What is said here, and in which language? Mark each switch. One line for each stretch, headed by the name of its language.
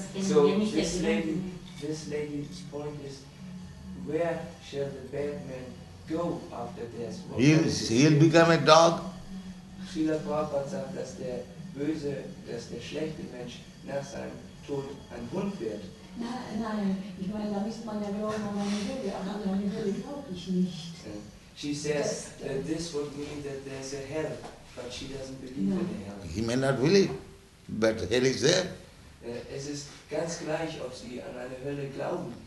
English: So this lady's point is, where shall the bad man go after this? He'll become a dog.
German: Srila Prabhupada sagt, dass der böse, dass der schlechte Mensch nach seinem Tod ein Hund wird. Nein, ich meine, da müsste man ja glauben, wenn man will, aber an eine Hölle glaube ich nicht.
English: She says, this would mean that there's a hell, but she doesn't believe in the hell. He may not believe, but hell is there.
German: Es ist ganz gleich, ob sie an eine Hölle glauben.